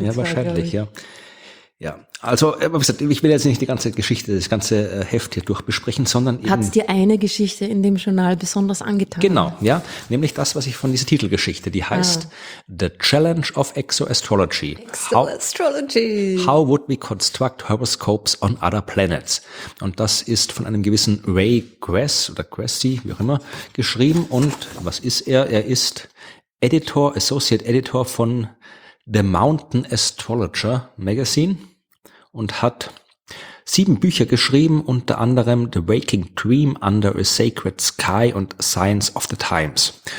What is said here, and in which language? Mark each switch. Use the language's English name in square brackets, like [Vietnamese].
[German] Ja, wahrscheinlich, ja. Ja, also, wie gesagt, ich will jetzt nicht die ganze Geschichte, das ganze Heft hier durchbesprechen, sondern eben... Hat es dir eine Geschichte in dem Journal besonders angetan? Genau, ja, nämlich das, was ich von dieser Titelgeschichte, die heißt The Challenge of Exo-Astrology. Exo-Astrology! [English] How would we construct horoscopes on other planets? [German] Und das ist von einem gewissen Ray Gress oder Gressy, wie auch immer, geschrieben. Und was ist er? Er ist Editor, Associate Editor von... The Mountain Astrologer Magazine und hat 7 Bücher geschrieben, unter anderem The Waking Dream Under a Sacred Sky und Signs of the Times.